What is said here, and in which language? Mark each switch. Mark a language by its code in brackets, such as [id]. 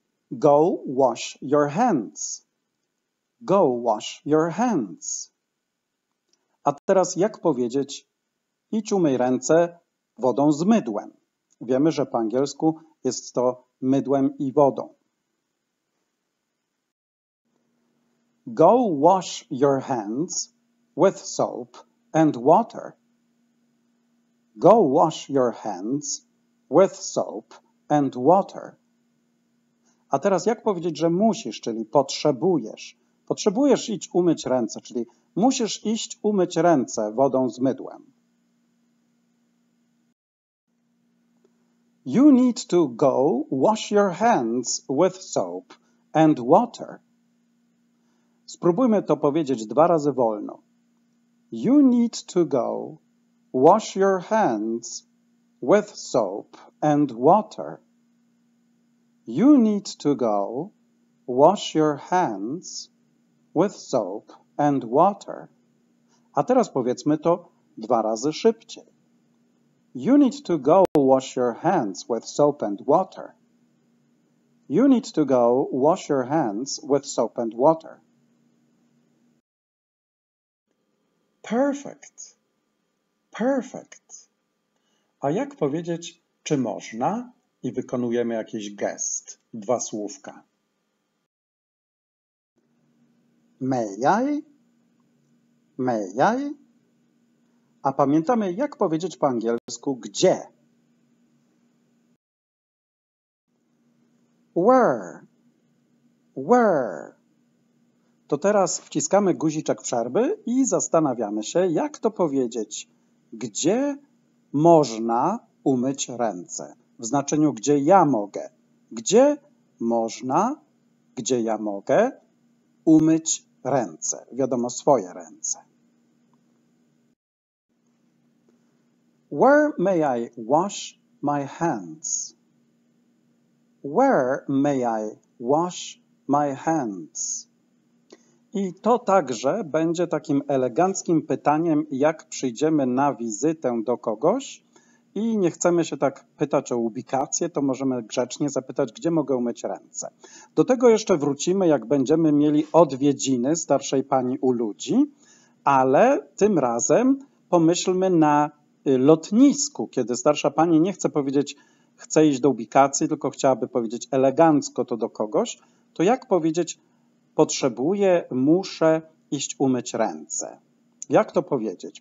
[en] Go wash your hands. Go wash your hands. [pl] A teraz jak powiedzieć idź umyj ręce wodą z mydłem. Wiemy, że po angielsku jest to mydłem i wodą. [en] Go wash your hands with soap and water. Go wash your hands with soap and water. [pl] A teraz jak powiedzieć, że musisz, czyli potrzebujesz? Potrzebujesz iść umyć ręce, czyli musisz iść umyć ręce wodą z mydłem. [en] You need to go wash your hands with soap and water. [pl] Spróbujmy to powiedzieć dwa razy wolno. [en] You need to go wash your hands with soap and water. You need to go wash your hands with soap and water. [pl] A teraz powiedzmy to dwa razy szybciej. [en] You need to go wash your hands with soap and water. You need to go wash your hands with soap and water. Perfect. Perfect. [pl] A jak powiedzieć, czy można? I wykonujemy jakiś gest, dwa słówka. [en] May I? May I? [pl] A pamiętamy, jak powiedzieć po angielsku gdzie? Where? To teraz wciskamy guziczek przerwy i zastanawiamy się, jak to powiedzieć. Gdzie można umyć ręce? W znaczeniu gdzie ja mogę. Gdzie można, gdzie ja mogę umyć ręce? Wiadomo, swoje ręce. [en] Where may I wash my hands? Where may I wash my hands? [pl] I to także będzie takim eleganckim pytaniem, jak przyjdziemy na wizytę do kogoś i nie chcemy się tak pytać o ubikację, to możemy grzecznie zapytać, gdzie mogę umyć ręce. Do tego jeszcze wrócimy, jak będziemy mieli odwiedziny starszej pani u ludzi, ale tym razem pomyślmy na lotnisku, kiedy starsza pani nie chce powiedzieć, chce iść do ubikacji, tylko chciałaby powiedzieć elegancko to do kogoś, to jak powiedzieć, potrzebuję, muszę iść umyć ręce. Jak to powiedzieć?